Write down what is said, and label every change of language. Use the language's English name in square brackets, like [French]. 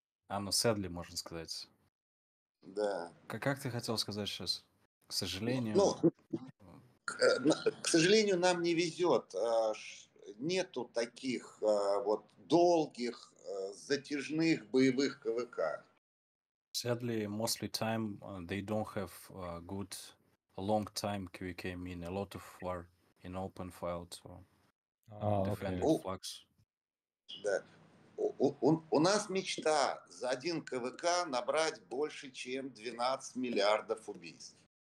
[Russian] Ну, sadly, можно сказать. Да. Как ты хотел сказать сейчас? К сожалению... К сожалению, нам не везет. Нету таких вот долгих, затяжных боевых КВК. [English] Sadly, mostly time they don't have good long time KVK, mean a lot of war in open field, so defended okay. Flux. [Russian] Да. У нас мечта за один КВК набрать больше, чем 12 миллиардов убийств.